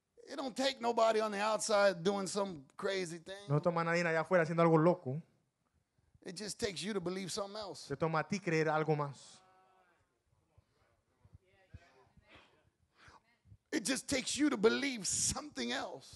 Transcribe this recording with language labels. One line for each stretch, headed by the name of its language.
English: It don't take nobody on the outside doing some crazy thing.
Spanish: No toma nadie allá afuera haciendo algo loco.
English: It just takes you to believe something else.
Spanish: Te toma a ti creer algo más.
English: It just takes you to believe something else.